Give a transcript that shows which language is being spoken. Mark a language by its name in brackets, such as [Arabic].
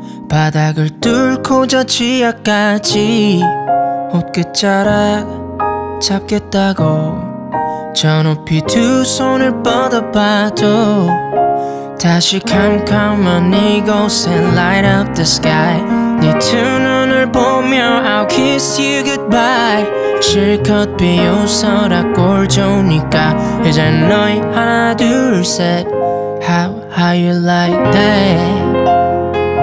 [Korean] 바닥을 뚫고 저 지하까지 옷 끝자락 잡겠다고 저 높이 두 손을 뻗어봐도 다시 캄캄한 이곳에 [English] light up the sky. [Korean] 네 두 눈을 보며 [English] I'll kiss you goodbye. [Korean] 실컷 비웃어라 꼴 좋으니까 이제 너희 하나 둘 셋 [English] How you like that?